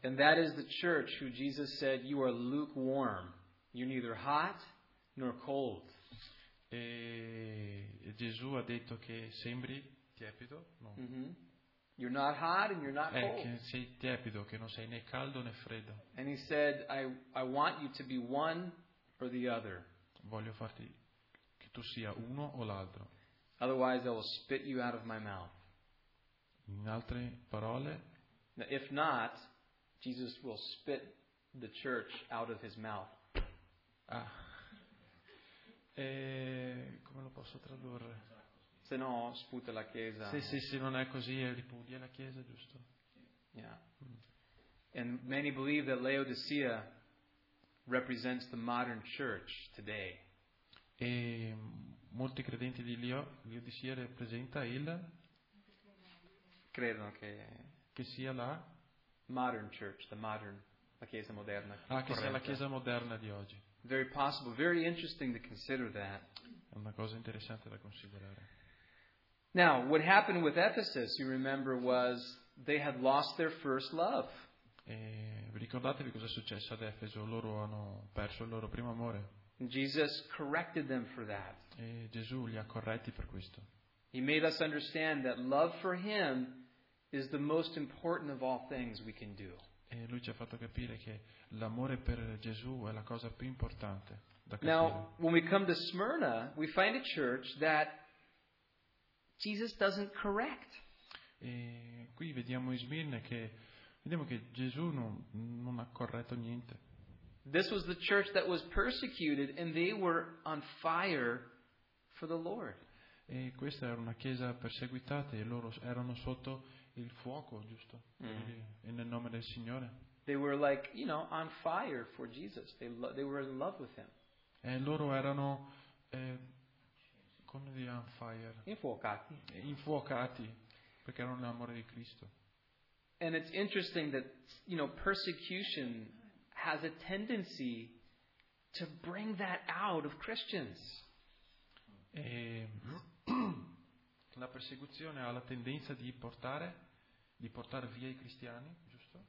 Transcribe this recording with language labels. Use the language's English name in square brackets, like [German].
[English] And that is the church who Jesus said you are lukewarm, you're neither hot nor cold. [Italian] E Gesù ha detto che sembri tiepido, no. Mm-hmm. [English] You're not hot and you're not cold. [Italian] Che sei tiepido, che non sei né caldo né freddo. [English] And he said, I want you to be one or the other. [Italian] Voglio farti che tu sia uno o l'altro. [English] Otherwise I will spit you out of my mouth. [Italian] In altre parole, [English] now, if not, Jesus will spit the church out of his mouth. Ah. [Italian] E come lo posso tradurre? Se no sputa la chiesa. Sì, non è così, ripudia la chiesa, giusto? [English] Yeah. Mm. And many believe that Laodicea represents the modern church today. [Italian] E molti credenti di Laodicea rappresenta il credono che sia la [English] modern church, the modern, [Italian] la chiesa moderna. Ah, che sia la chiesa moderna di oggi. [English] Very possible, very interesting to consider that. [Italian] È una cosa interessante da considerare. [English] Now, what happened with Ephesus, you remember, was they had lost their first love. [Italian] E ricordatevi cosa è successo ad Efeso, loro hanno perso il loro primo amore. [English] Jesus corrected them for that. [Italian] E Gesù li ha corretti per questo. [English] He made us understand that love for him is the most important of all things we can do. [Italian] E lui ci ha fatto capire che l'amore per Gesù è la cosa più importante da capire. [English] Now, when we come to Smyrna, we find a church that Jesus doesn't correct. [Italian] E qui vediamo in Smirne che vediamo che Gesù non ha corretto niente. [English] This was the church that was persecuted and they were on fire for the Lord. [Italian] E questa era una chiesa perseguitata e loro erano sotto il fuoco, giusto? E nel nome del Signore. [English] They were like, you know, on fire for Jesus. They were in love with him. [Italian] E loro erano come di [English] on fire. [Italian] Infuocati. Infuocati perché erano nell'amore di Cristo. [English] And it's interesting that, you know, persecution has a tendency to bring that out of Christians. [Italian] E la persecuzione ha la tendenza di portare via i cristiani, giusto?